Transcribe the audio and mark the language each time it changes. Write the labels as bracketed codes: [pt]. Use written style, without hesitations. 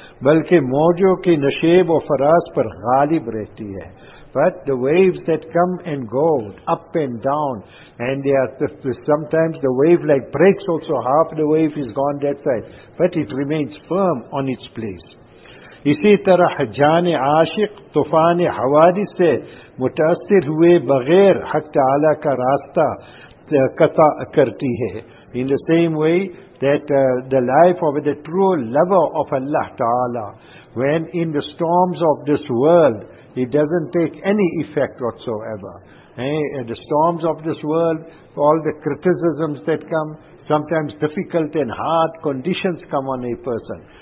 [ur] Balki maujo ke nasheb o faraz par ghalib rehti hai. [en] But the waves that come and go up and down, and they are sometimes the wave like breaks also, half the wave is gone that side, but it remains firm on its place. [ur] اسی طرح جان عاشق طوفان حوادث سے متاثر ہوئے بغیر حق تعالی کا راستہ قطع کرتی ہے. [en] In the same way that the life of the true lover of Allah Ta'ala, when in the storms of this world, it doesn't take any effect whatsoever. The storms of this world, all the criticisms that come, sometimes difficult and hard conditions come on a person.